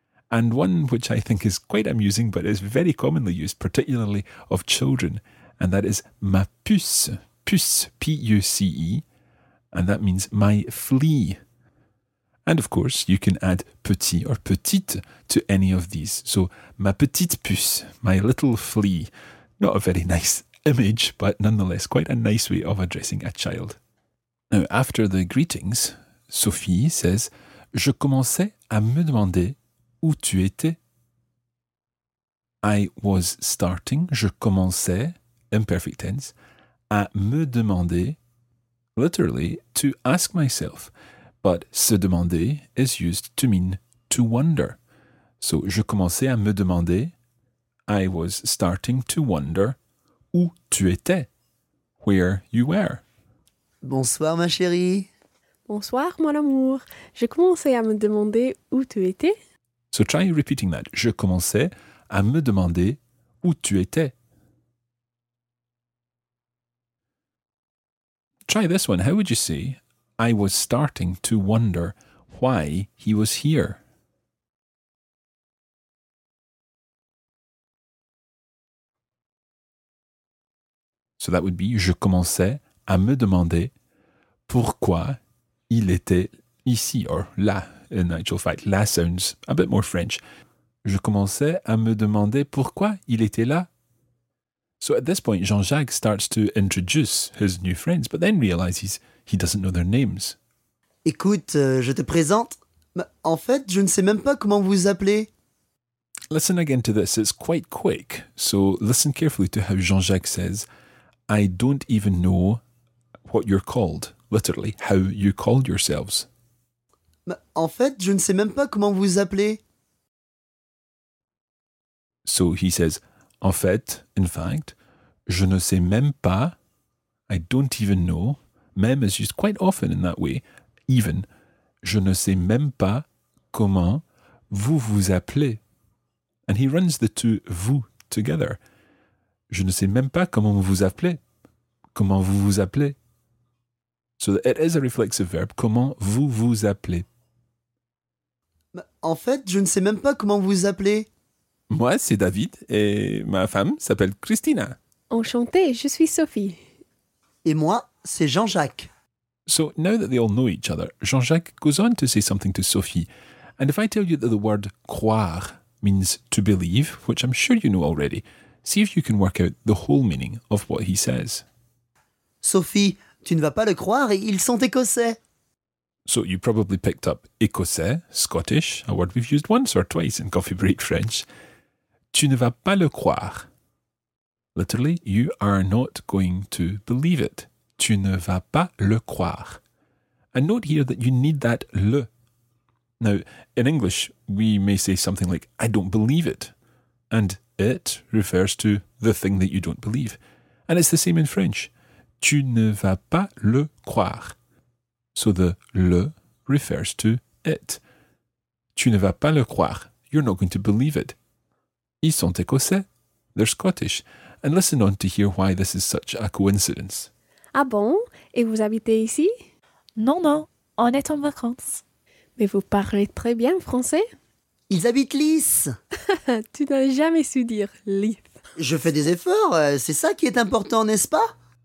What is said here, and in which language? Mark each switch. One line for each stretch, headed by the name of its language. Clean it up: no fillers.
English: And one which I think is quite amusing, but is very commonly used, particularly of children, and that is
French: ma puce,
English: puce, P-U-C-E, and that means my flea. And of course, you can add petit or petite to any of these. So,
French: ma petite puce,
English: my little flea. Not a very nice image, but nonetheless, quite a nice way of addressing a child. Now, after the greetings, Sophie says,
French: je commençais à me demander où tu étais.
English: I was starting,
French: je commençais,
English: imperfect tense,
French: à me demander,
English: literally, to ask myself. But
French: se demander
English: is used to mean to wonder. So,
French: je commençais à me demander,
English: I was starting to wonder,
French: où tu étais,
English: where you were.
French: Bonsoir, ma chérie. Bonsoir, mon amour. Je commençais à me demander où tu étais.
English: So try repeating that.
French: Je commençais à me demander où tu étais.
English: Try this one. How would you say, I was starting to wonder why he was here? So that would be,
French: je commençais à me demander pourquoi il était ici, or là.
English: In actual fact, la sounds a bit more French.
French: Je commençais à me demander pourquoi il était là.
English: So at this point, Jean-Jacques starts to introduce his new friends, but then realizes he doesn't know their names.
French: Écoute, je te présente. En fait, je ne sais même pas comment vous appelez.
English: Listen again to this. It's quite quick. So listen carefully to how Jean-Jacques says, I don't even know what you're called. Literally, how you called yourselves.
French: En fait, je ne sais même pas comment vous appelez.
English: So he says,
French: en fait,
English: in fact,
French: je ne sais même pas,
English: I don't even know, même is used quite often in that way, even,
French: je ne sais même pas comment vous vous appelez.
English: And he runs the two vous together.
French: Je ne sais même pas comment vous appelez. Comment vous vous appelez.
English: So it is a reflexive verb,
French: comment vous vous appelez. En fait, je ne sais même pas comment vous appelez. Moi, c'est David et ma femme s'appelle Christina. Enchantée, je suis Sophie. Et moi, c'est Jean-Jacques.
English: So, now that they all know each other, Jean-Jacques goes on to say something to Sophie. And if I tell you that the word croire means to believe, which I'm sure you know already, see if you can work out the whole meaning of what he says.
French: Sophie, tu ne vas pas le croire, ils sont écossais.
English: So you probably picked up écossais, Scottish, a word we've used once or twice in Coffee Break French.
French: Tu ne vas pas le croire.
English: Literally, you are not going to believe it.
French: Tu ne vas pas le croire.
English: And note here that you need that le. Now, in English, we may say something like, I don't believe it. And it refers to the thing that you don't believe. And it's the same in French.
French: Tu ne vas pas le croire.
English: So the le refers to it.
French: Tu ne vas pas le croire.
English: You're not going to believe it.
French: Ils sont écossais.
English: They're Scottish. And listen on to hear why this is such a coincidence.
French: Ah bon? Et vous habitez ici? Non, non. On est en vacances. Mais vous parlez très bien français. Ils habitent Lys. Tu n'as jamais su dire Lys. Je fais des efforts. C'est ça qui est important, n'est-ce pas?